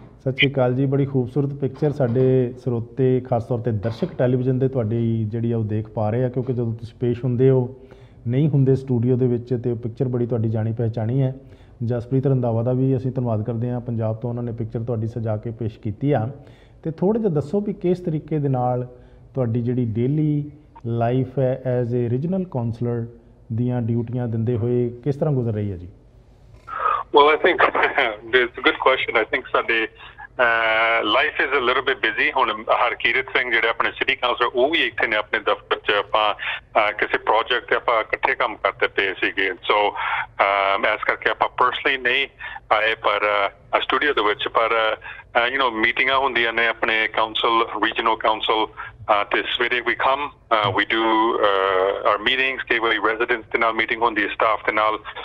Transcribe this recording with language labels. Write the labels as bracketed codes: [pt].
[pa] ਸਤਿ ਸ਼੍ਰੀ ਅਕਾਲ ਜੀ, ਬੜੀ ਖੂਬਸੂਰਤ ਪਿਕਚਰ ਸਾਡੇ ਸਰੋਤੇ ਖਾਸ ਤੌਰ 'ਤੇ ਦਰਸ਼ਕ ਟੈਲੀਵਿਜ਼ਨ ਦੇ ਤੁਹਾਡੀ ਜਿਹੜੀ ਆ ਉਹ ਦੇਖ ਪਾ ਰਹੇ ਆ, ਕਿਉਂਕਿ ਜਦੋਂ ਤੁਸੀਂ ਪੇਸ਼ ਹੁੰਦੇ ਹੋ ਨਹੀਂ ਹੁੰਦੇ ਸਟੂਡੀਓ ਦੇ ਵਿੱਚ ਅਤੇ ਉਹ ਪਿਕਚਰ ਬੜੀ ਤੁਹਾਡੀ ਜਾਣੀ ਪਹਿਚਾਣੀ ਹੈ। ਜਸਪ੍ਰੀਤ ਰੰਧਾਵਾ ਦਾ ਵੀ ਅਸੀਂ ਧੰਨਵਾਦ ਕਰਦੇ ਹਾਂ, ਪੰਜਾਬ ਤੋਂ ਉਹਨਾਂ ਨੇ ਪਿਕਚਰ ਤੁਹਾਡੀ ਸਜਾ ਕੇ ਪੇਸ਼ ਕੀਤੀ ਆ। ਅਤੇ ਥੋੜ੍ਹਾ ਜਿਹਾ ਦੱਸੋ ਵੀ ਕਿਸ ਤਰੀਕੇ ਦੇ ਨਾਲ ਤੁਹਾਡੀ ਜਿਹੜੀ ਡੇਲੀ ਲਾਈਫ ਹੈ [en] as a regional councillor [pa] ਦੀਆਂ ਡਿਊਟੀਆਂ ਦਿੰਦੇ ਹੋਏ ਕਿਸ ਤਰ੍ਹਾਂ ਗੁਜ਼ਰ ਰਹੀ ਹੈ ਜੀ? [en] Well, I think it's a good question. I think Sunday life is a little bit busy. [pa] ਹੁਣ ਹਰਕੀਰਤ ਸਿੰਘ ਜਿਹੜੇ ਆਪਣੇ ਸਿਟੀ ਕਾਉਂਸਲਰ, ਉਹ ਵੀ ਇੱਥੇ ਨੇ ਆਪਣੇ ਦਫ਼ਤਰ 'ਚ, ਆਪਾਂ ਕਿਸੇ ਪ੍ਰੋਜੈਕਟ 'ਤੇ ਆਪਾਂ ਇਕੱਠੇ ਕੰਮ ਕਰਦੇ ਪਏ ਸੀਗੇ, ਸੋ ਇਸ ਕਰਕੇ ਆਪਾਂ ਪਰਸਨਲੀ ਨਹੀਂ ਆਏ ਪਰ ਸਟੂਡੀਓ ਦੇ ਵਿੱਚ, ਪਰ ਯੂ ਨੋ ਮੀਟਿੰਗਾਂ ਹੁੰਦੀਆਂ ਨੇ ਆਪਣੇ ਕਾਉਂਸਲ, ਰੀਜਨਲ ਕਾਉਂਸਲ, ਅਤੇ ਸਵੇਰੇ ਵੀ [en] come we do our meetings, [pa] ਕਈ ਵਾਰੀ ਰੈਜ਼ੀਡੈਂਟਸ ਦੇ ਨਾਲ ਮੀਟਿੰਗ ਹੁੰਦੀ ਹੈ, ਸਟਾਫ ਦੇ ਨਾਲ,